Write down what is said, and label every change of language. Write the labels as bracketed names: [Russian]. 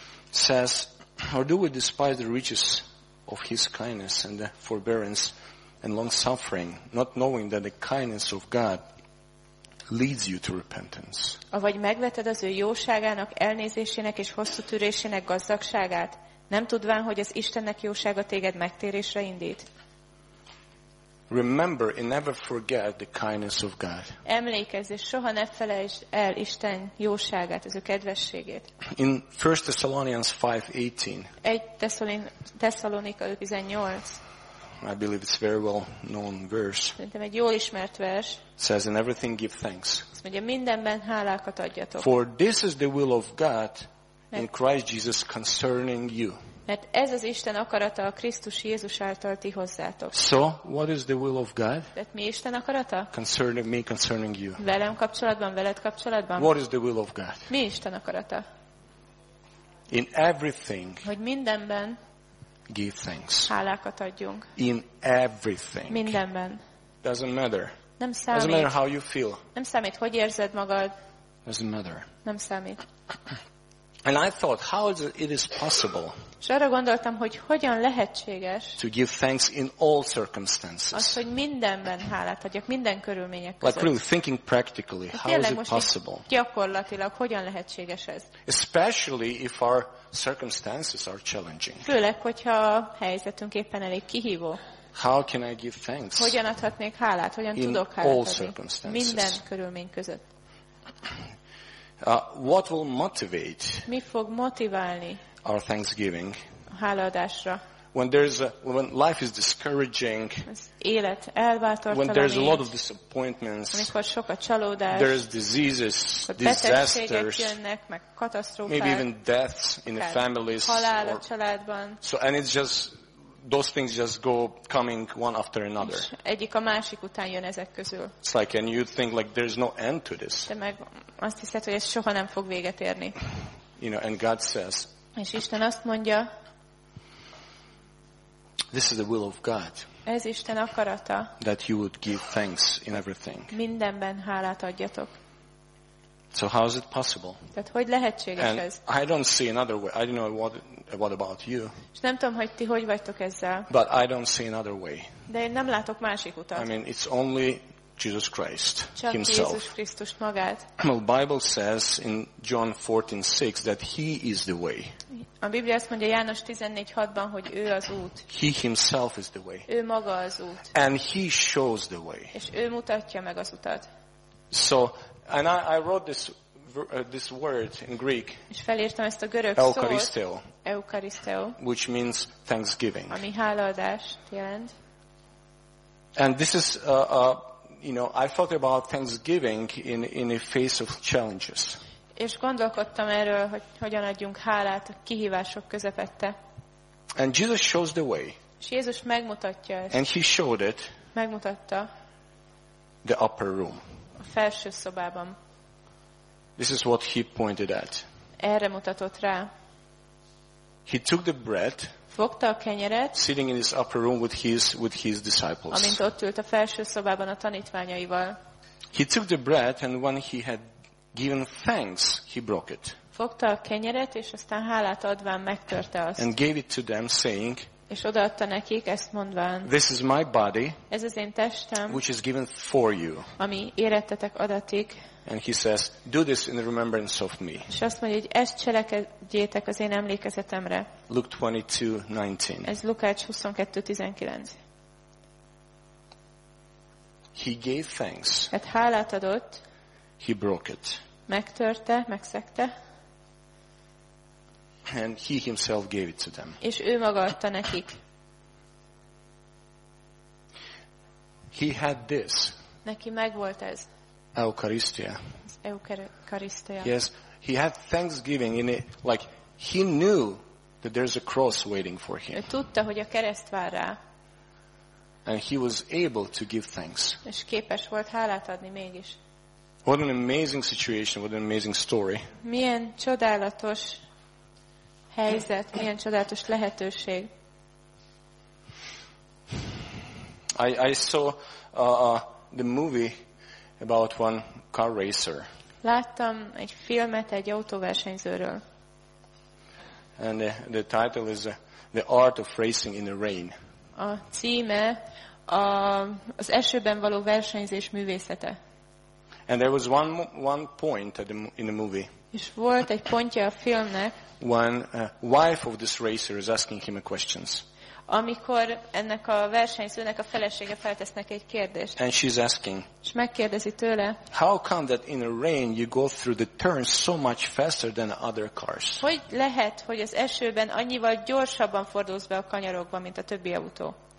[English] Says, or do we despise the riches of His kindness and the forbearance and long suffering, not knowing that the kindness of God leads you to repentance? [Hungarian] Avagy megveted az ő jóságának, elnézésének és hosszú törésének gazdagságát, nem tudván, hogy az Istennek jósága téged megtérésre indít? [English] Remember and never forget the kindness of God. [Hungarian] Emlékezz és soha ne felejtsd el Isten jóságát, az ő kedvességét. [English] In 1 Thessalonians 5:18. [Hungarian] 1 Thessalonica 5:18. [English] I believe it's very well known verse. [Hungarian] Szerintem egy jól ismert vers. [English] Says in everything give thanks. [Hungarian] Azt mondja, mindenben hálákat adjatok. [English] For this is the will of God in Christ Jesus concerning you. [Hungarian] Mert ez az Isten akarata a Krisztus Jézus által ti hozzátok. [English] So, what is the will of God? [Hungarian] Tehát mi Isten akarata? [English] Concerning me, concerning you. [Hungarian] Velem kapcsolatban, veled kapcsolatban. [English] What is the will of God? [Hungarian] Mi Isten akarata? [English] In everything. [Hungarian] Hogy mindenben. [English] Give thanks. [Hungarian] Hálákat adjunk. [English] In everything. [Hungarian] Mindenben. [English] Doesn't matter. [Hungarian] Nem számít. [English] Doesn't matter how you feel. [Hungarian] Nem számít, hogy érzed magad. [English] Doesn't matter. [Hungarian] Nem számít. [English] And I thought, how is it is possible? [Hungarian] És arra gondoltam, hogy hogyan lehetséges [English] to give thanks in all circumstances. [Hungarian] Az, hogy mindenben hálát adjak, minden körülmények között. [English] Like really thinking practically, how is it possible? [Hungarian] Gyakorlatilag hogyan lehetséges ez? [English] Especially if our circumstances are challenging. [Hungarian] Főleg, hogyha a helyzetünk éppen elég kihívó. [English] How can I give thanks? [Hungarian] Hogyan adhatnék hálát, hogyan [English] in [Hungarian] tudok hálát [English] all [Hungarian] adni? [English] Circumstances. [Hungarian] Minden körülmény között. [English] What will motivate? [Hungarian] Mi fog motiválni? [English] Our thanksgiving. [Hungarian] Hálaadásra. [English] When life is discouraging. [Hungarian] Az élet elbátortalan. [English] When there's a lot of disappointments. [Hungarian] Amikor sok a csalódás. [English] There's diseases, disasters. [Hungarian] Jönnek, meg katasztrófák. [English] Maybe even deaths in the families. [Hungarian] Halál a családban. [English] So and it's just those things just go coming one after another. [Hungarian] Egyik a másik után jön ezek közül. [English] It's like and you think like there's no end to this. [Hungarian] De meg azt hiszed, hogy ez soha nem fog véget érni. [English] You know, and God says. [Hungarian] És Isten azt mondja. [English] This is the will of God. [Hungarian] Ez Isten akarata. [English] That you would give thanks in everything. [Hungarian] Mindenben hálát adjatok. [English] So how is it possible? [Hungarian] Tehát hogy lehetséges [English] and [Hungarian] ez? [English] I don't see another way. I don't know what about you. [Hungarian] És nem tudom, hogy ti hogy vagytok ezzel. [English] But I don't see another way. [Hungarian] De én nem látok másik utat. [English] I mean, it's only Jesus Christ [Hungarian] csak [English] himself. [Hungarian] Jézus Krisztus magát. [English] The Bible says in John 14:6 that he is the way. [Hungarian] A Biblia azt mondja János 14:6-ban, hogy ő az út. [English] He himself is the way. [Hungarian] Ő maga az út. [English] And he shows the way. [Hungarian] És ő mutatja meg az utat. [English] So and I wrote this word in Greek. [Hungarian] És felírtam ezt a görög [English] szót. Eucharisteo. [Hungarian] Eucharisteo. [English] Which means thanksgiving. [Hungarian] Ami hálaadást jelent. [English] And this is you know, I thought about thanksgiving in a face of challenges. [Hungarian] És gondolkodtam erről, hogy hogyan adjunk hálát a kihívások közepette. [English] And Jesus shows the way. [Hungarian] És Jézus megmutatja ezt. [English] And he showed it. [Hungarian] Megmutatta. [English] The upper room. [Hungarian] A felső szobában. [English] This is what he pointed at. [Hungarian] Erre mutatott rá. [English] He took the bread. [Hungarian] Fogta a kenyeret. [English] Sitting in his upper room with his disciples. [Hungarian] Amint ott ült a felső szobában a tanítványaival. [English] He took the bread and when he had given thanks, he broke it. [Hungarian] Fogta a kenyeret és aztán hálát adván megtörte azt. [English] And gave it to them saying. [Hungarian] És odaadta nekik ezt mondván. [English] This is my body. [Hungarian] Ez az én testem. [English] Which is given for you. [Hungarian] Ami érettetek adatik. [English] And he says, do this in the remembrance of me. [Hungarian] És azt mondja, hogy ezt cselekedjétek az én emlékezetemre. [English] Luke 22:19. [Hungarian] Ez Lukács 22:19. [English] He gave thanks. [Hungarian] Hát hálát adott. [English] He broke it. [Hungarian] Megtörte, megszegte. [English] And he himself gave it to them. [Hungarian] És ő maga adta nekik. [English] He had this. [Hungarian] Neki megvolt ez. [English] Eucharistia. [Hungarian] Eucharistia. [English] Yes, he had thanksgiving in it. Like he knew that there's a cross waiting for him. [Hungarian] Tudta, hogy a kereszt vár rá. [English] and he was able to give thanks. [Hungarian] És képes volt hálát adni mégis. [English] What an amazing situation, what an amazing story. [Hungarian] Milyen csodálatos helyzet, milyen csodálatos lehetőség. [English] I saw the movie about one car racer. [Hungarian] Láttam egy filmet egy autóversenyzőről. [English] And the title is The Art of Racing in the Rain. [Hungarian] A címe az esőben való versenyzés művészete. [English] And there was one point in the movie. [Hungarian] És volt egy pontja a filmnek. [English] When wife of this racer is asking him a questions. [Hungarian] Amikor ennek a versenyzőnek a felesége feltesz neki egy kérdést. [English] And she's asking. [Hungarian] És megkérdezi tőle. [English] How come that in a rain you go through the turns so much faster than other cars? [Hungarian] Hogy lehet, hogy az esőben annyival gyorsabban fordulsz be a kanyarokba, mint a többi autó?